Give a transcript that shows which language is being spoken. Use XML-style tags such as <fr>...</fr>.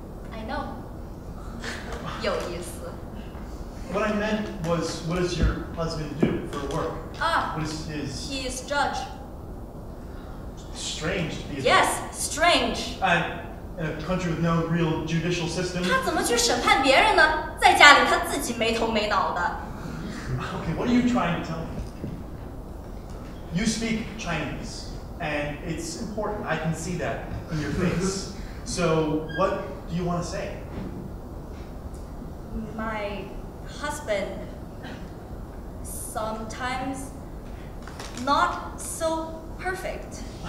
<en>I know.</en> <zh>有意思。</zh> <en>What I meant was, what does your husband do for work? What is his? He is judge. Strange to be. Yes, strange. In a country with no real judicial system.</en> <zh>他怎么去审判别人呢？在家里他自己没头没脑的。</zh> <en>Okay, what are you trying to tell me? You speak Chinese, and it's important. I can see that in your face. So, what do you want to say? My husband sometimes not so perfect.</en>